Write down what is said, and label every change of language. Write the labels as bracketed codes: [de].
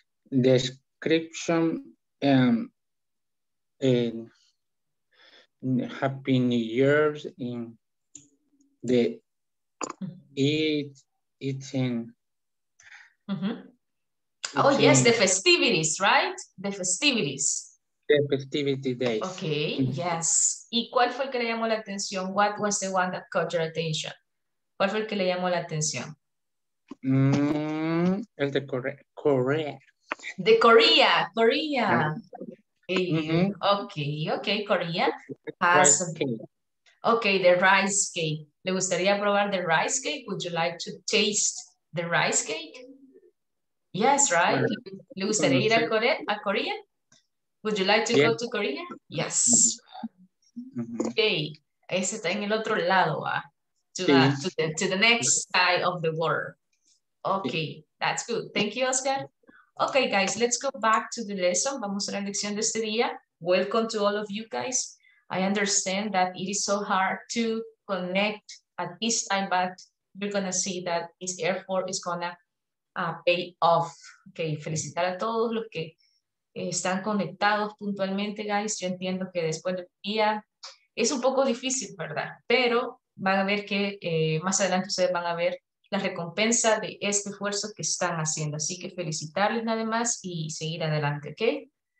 [en] Description, Happy New Year's in the eating. Oh, yes, the festivities, right? The festivities. The festivity days. Okay, yes. [es] ¿Y cuál fue el que le llamó la atención? [en] What was the one that caught your attention? [es] ¿Cuál fue el que le llamó la atención? El de Korea. [en] De Korea, Korea. Yeah. Okay, Korea. Has rice cake. Okay, the rice cake. [es] ¿Le gustaría probar [en] the rice cake? Would you like to taste the rice cake? Yes, right. [es] ¿Le gustaría ir a Korea? [en] Would you like to go to Korea? Yes. Okay. [es] Ese está en el otro lado, [en] to the next side of the world. Okay, that's good. Thank you, Oscar. Okay, guys, let's go back to the lesson. [es] Vamos a la lección de este día. [en] Welcome to all of you guys. I understand that it is so hard to connect at this time, but you're going to see that this effort is going to pay off. [es] Okay, felicitar a todos los que están conectados puntualmente, guys. Yo entiendo que después del día es un poco difícil, ¿verdad? Pero van a ver que más adelante ustedes van a ver la recompensa de este esfuerzo que están haciendo. Así que felicitarles nada más y seguir adelante, ¿ok?